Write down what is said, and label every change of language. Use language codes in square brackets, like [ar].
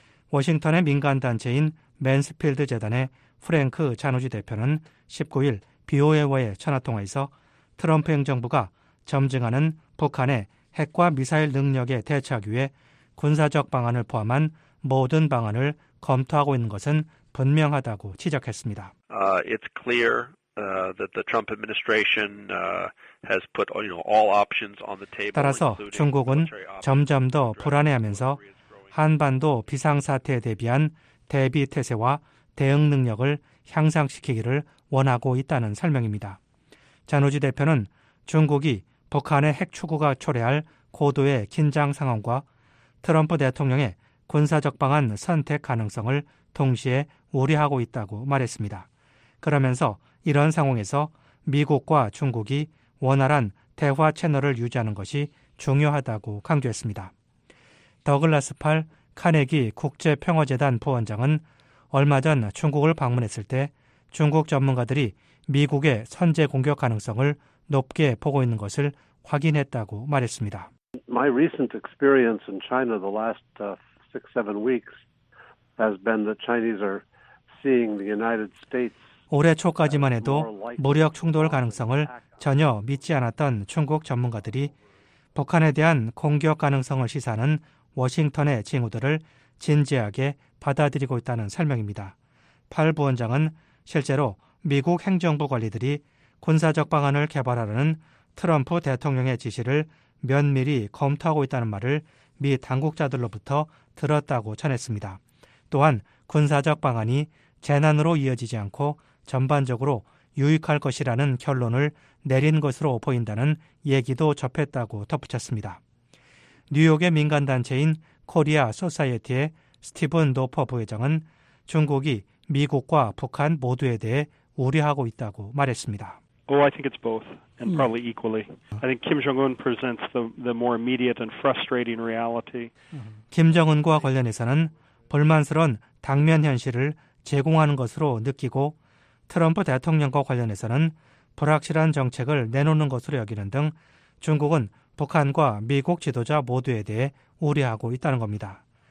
[ko] 워싱턴의 민간단체인 맨스필드 재단의 프랭크 자누지 대표는 19일 BOA와의 전화통화에서 트럼프 행정부가 점증하는 북한의 핵과 미사일 능력에 대처하기 위해 군사적 방안을 포함한 모든 방안을 검토하고 있는 것은 분명하다고 지적했습니다. [en] It's clear that the Trump administration has put you know all options on the table. [ko] 따라서 중국은 점점 더 불안해하면서 한반도 비상사태에 대비한 대비 태세와 대응 능력을 향상시키기를 원하고 있다는 설명입니다. 잔우지 대표는 중국이 북한의 핵 추구가 초래할 고도의 긴장 상황과 트럼프 대통령의 군사적 방안 선택 가능성을 동시에 우려하고 있다고 말했습니다. 그러면서 이런 상황에서 미국과 중국이 원활한 대화 채널을 유지하는 것이 중요하다고 강조했습니다. 더글라스 팔 카네기 국제평화재단 부원장은 얼마 전 중국을 방문했을 때 중국 전문가들이 미국의 선제 공격 가능성을 높게 보고 있는 것을 확인했다고 말했습니다. [en] My recent experience in China the last 6-7 weeks has been that Chinese are seeing the United States [ko] 올해 초까지만 해도 무력 충돌 가능성을 전혀 믿지 않았던 중국 전문가들이 북한에 대한 공격 가능성을 시사하는 워싱턴의 징후들을 진지하게 받아들이고 있다는 설명입니다. 팔 부원장은 실제로 미국 행정부 관리들이 군사적 방안을 개발하라는 트럼프 대통령의 지시를 면밀히 검토하고 있다는 말을 미 당국자들로부터 들었다고 전했습니다. 또한 군사적 방안이 재난으로 이어지지 않고 전반적으로 유익할 것이라는 결론을 내린 것으로 보인다는 얘기도 접했다고 덧붙였습니다. 뉴욕의 민간단체인 코리아 소사이어티의 스티븐 노퍼 부회장은 중국이 미국과 북한 모두에 대해 우려하고 있다고 말했습니다. [en] Oh, I think it's both and probably equally. I think Kim Jong-un presents the more immediate and frustrating reality. [ko] 김정은과 관련해서는 불만스러운 당면 현실을 제공하는 것으로 느끼고 트럼프 대통령과 관련해서는 불확실한 정책을 내놓는 것으로 여기는 등 중국은 북한과 미국 지도자 모두에 대해 우려하고 있다는 겁니다.